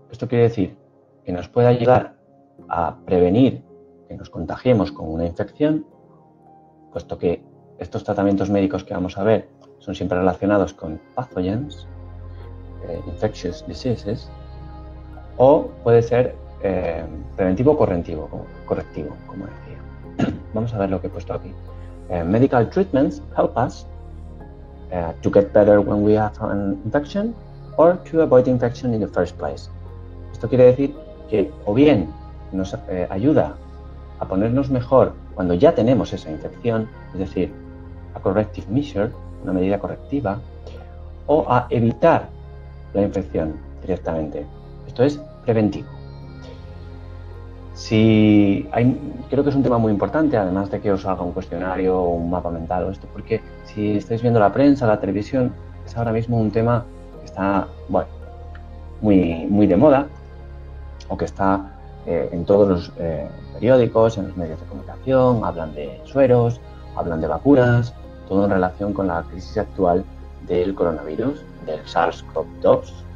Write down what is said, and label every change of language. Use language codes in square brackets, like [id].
[es] Esto quiere decir que nos puede ayudar a prevenir que nos contagiemos con una infección, puesto que estos tratamientos médicos que vamos a ver son siempre relacionados con [en] pathogens, infectious diseases, [es] o puede ser preventivo correctivo, como decía. Vamos a ver lo que he puesto aquí. [en] Medical treatments help us to get better when we have an infection or to avoid infection in the first place. [es] Esto quiere decir que o bien nos ayuda a ponernos mejor cuando ya tenemos esa infección, es decir, [en] a corrective measure, [es] una medida correctiva, o a evitar la infección directamente. Esto es preventivo. Si hay, creo que es un tema muy importante, además de que os haga un cuestionario o un mapa mental o esto, porque si estáis viendo la prensa, la televisión, es ahora mismo un tema que está, bueno, muy, muy de moda, o que está en todos los periódicos, en los medios de comunicación, hablan de sueros, hablan de vacunas, todo en relación con la crisis actual del coronavirus, del SARS-CoV-2.